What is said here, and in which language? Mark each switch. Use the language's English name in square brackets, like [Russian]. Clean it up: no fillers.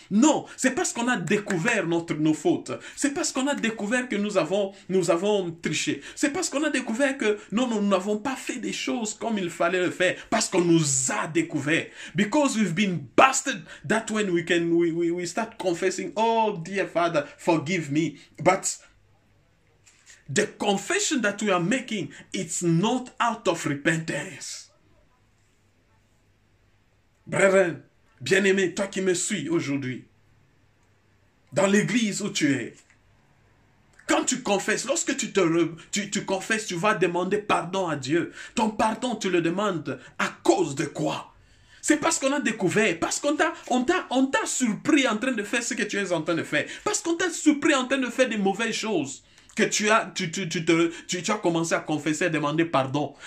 [French] Non, c'est parce qu'on a découvert nos fautes. C'est parce qu'on a découvert que nous avons triché. C'est parce qu'on a découvert que nous n'avons pas fait des choses comme il fallait le faire, parce qu'on nous a découvert. [English] Because we've been busted, that's when we start confessing, oh dear Father, forgive me. But the confession that we are making, it's not out of repentance. [French] Brethren, bien-aimé, toi qui me suis aujourd'hui, dans l'église où tu es, quand tu confesses, lorsque tu confesses, tu vas demander pardon à Dieu. Ton pardon, tu le demandes à cause de quoi? C'est parce qu'on a découvert, parce qu'on t'a surpris en train de faire ce que tu es en train de faire, parce qu'on t'a surpris en train de faire des mauvaises choses, que tu as commencé à confesser, à demander pardon.